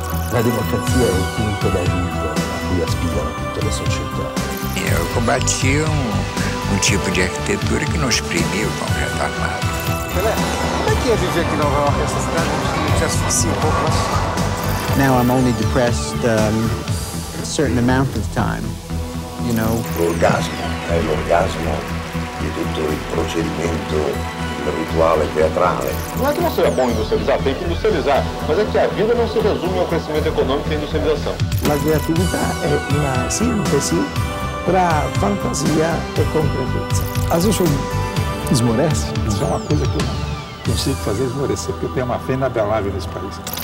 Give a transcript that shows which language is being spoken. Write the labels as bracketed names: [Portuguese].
[Italian] La democrazia è il punto d'arrivo a cui aspirano tutte le società. Io combatti un tipo di architettura che non esprimeva il concreto armato. Pelé, come è che vivi qui in Nova York, questa città che ci asfissia un po'? [English] Now I'm only depressed a certain amount of time, you know. [Italian] L'orgasmo è l'orgasmo di tutto il procedimento, il rituale teatrale. [Portuguese] Não é que não seja bom industrializar, tem que industrializar, mas é que a vida não se resume ao crescimento econômico e industrialização. [Italian] La creatività è una sintesi tra fantasia e concretezza. [Portuguese] Às vezes eu esmoreço, isso é uma coisa que eu consigo fazer esmorecer, porque eu tenho uma fé inabalável nesse país.